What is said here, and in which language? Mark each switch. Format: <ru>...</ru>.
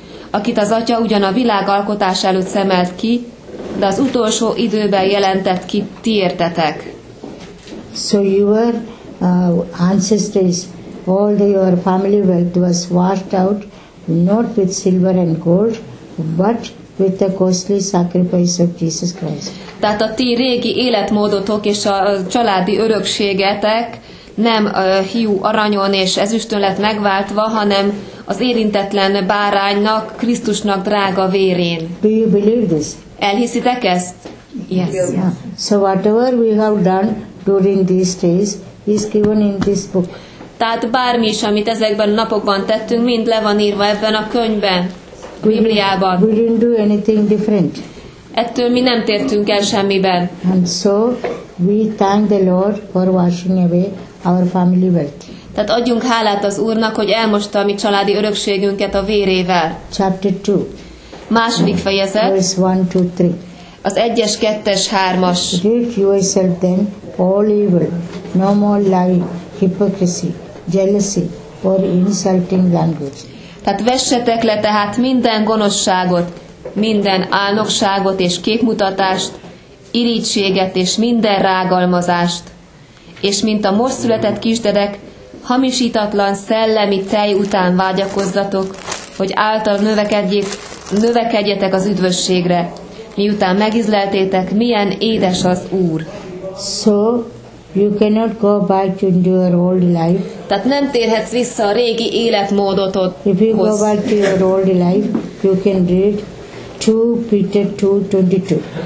<hu>Akit az atya ugyan a világ alkotás előtt szemelt ki, de az utolsó időben jelentett ki ti értetek.</hu> <en>So your ancestors, all your family wealth was washed out, not with silver and gold, but with the costly sacrifice of Jesus Christ.</en> <hu>Tehát a ti régi életmódotok és a családi örökségetek nem hiú aranyon és ezüstön lett megváltva, hanem az érintetlen báránynak, Krisztusnak drága vérén.</hu> <en>Do you believe this?</en> <hu>Elhiszitek ezt?</hu> <en>Yes. Yeah. So whatever we have done during these days is given in this book.</en> <hu>Tehát bármi is, amit ezekben a napokban tettünk, mind le van írva ebben a könyvben, a Bibliában.</hu> <en>We didn't do anything different.</en> <hu>Ettől mi nem tértünk el semmiben.</hu> <en>And so we thank the Lord for washing away our family wealth.</en> <hu>Tehát adjunk hálát az Úrnak, hogy elmosta a mi családi örökségünket a vérével.</hu> <en>Chapter 2.</en> <hu>Második fejezet.</hu> <en>Verse 1, 2, 3.</en> <hu>Az 1-es, 2-es, 3-as.</hu> <en>Rid yourself then all evil, no more lying, hypocrisy, jealousy, or insulting language.</en> <hu>Tehát vessetek le tehát minden gonoszságot, minden álnokságot és képmutatást, irítséget és minden rágalmazást. És mint a most született kisdedek, hamisítatlan szellemi tej után vágyakozzatok, hogy által növekedjetek az üdvösségre, miután megizleltétek, milyen édes az Úr.</hu> <en>So, you cannot go back to your old life.</en> <hu>Tehát nem térhetsz vissza a régi életmódotot.</hu> <en>If you go back to your old life, you can read 2 Peter 2:22.</en>